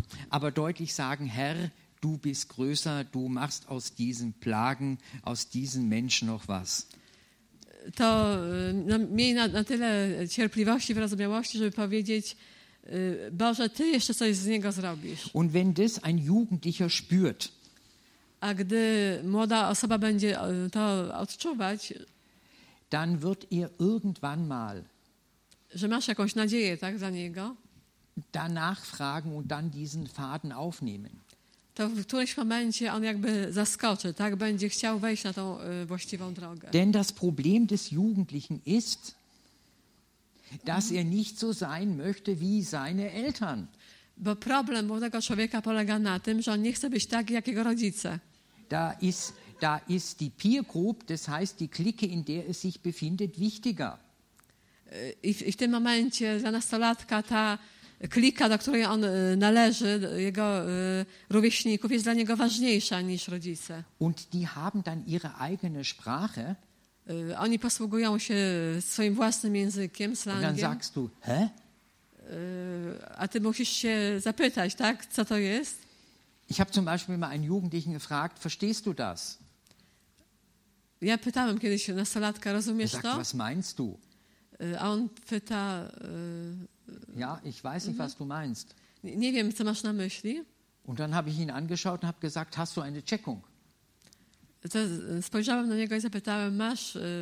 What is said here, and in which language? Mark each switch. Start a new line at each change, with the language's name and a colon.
German: Aber deutlich sagen, Herr, du bist größer, du machst aus diesen Plagen, aus diesen Menschen noch was.
Polish: To miej na tyle cierpliwości, wyrozumiałości, żeby powiedzieć, Boże, ty jeszcze coś z niego zrobisz.
German: Und wenn das ein Jugendlicher spürt.
Polish: A gdy młoda osoba będzie to odczuwać,
German: dann wird ihr irgendwann mal.
Polish: Że masz jakąś nadzieję, tak, za niego?
German: Danach fragen und dann diesen Faden aufnehmen.
Polish: To w którymś momencie on jakby zaskoczy, tak, będzie chciał wejść na tą właściwą drogę.
German: Denn das Problem des Jugendlichen ist, dass er nicht so sein möchte wie seine Eltern.
Polish: Bo problem młodego człowieka polega na tym, że on nie chce być tak jak jego rodzice.
German: Da ist die peer group, das heißt die clique, in der es sich befindet, wichtiger.
Polish: I w tym momencie dla nastolatka ta klika, do której on należy, jego rówieśników, jest dla niego ważniejsza niż rodzice.
German: Und die haben dann ihre eigene Sprache.
Polish: Oni posługują się swoim własnym językiem, slangiem.
German: Und dann sagst du, hä?
Polish: A ty musisz się zapytać, tak, co to jest?
German: Ich habe zum Beispiel mal einen Jugendlichen gefragt, verstehst du das?
Polish: Ja pytałem kiedyś nastolatka, rozumiesz
German: sagt,
Polish: to?
German: Was meinst du?
Polish: A on pyta...
German: Ja, ich weiß nicht, was du meinst.
Polish: Nie wiem, co masz na myśli.
German: Und dann habe ich ihn angeschaut und habe gesagt, hast du eine Checkung?
Polish: To spojrzałem na niego i zapytałem, masz...